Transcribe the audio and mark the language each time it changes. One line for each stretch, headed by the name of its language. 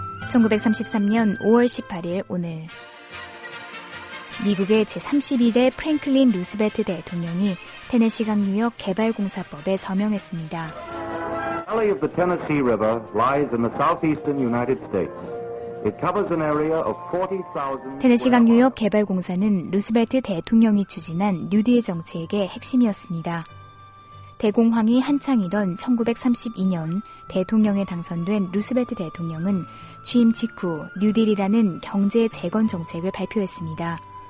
Korean: 1933년 5월 18일 오늘 미국의 제32대 프랭클린 루스벨트 대통령이 테네시 강 뉴욕 개발 공사법에 서명했습니다.
English: Valley of the Tennessee River lies in the southeastern United States. It covers an area of 40,000.
Korean: 테네시 강 뉴욕 개발 공사는 루스벨트 대통령이 추진한 뉴딜 정책의 핵심이었습니다. 대공황이 한창이던 1932년 대통령에 당선된 루스벨트 대통령은 취임 직후 뉴딜이라는 경제 재건 정책을 발표했습니다.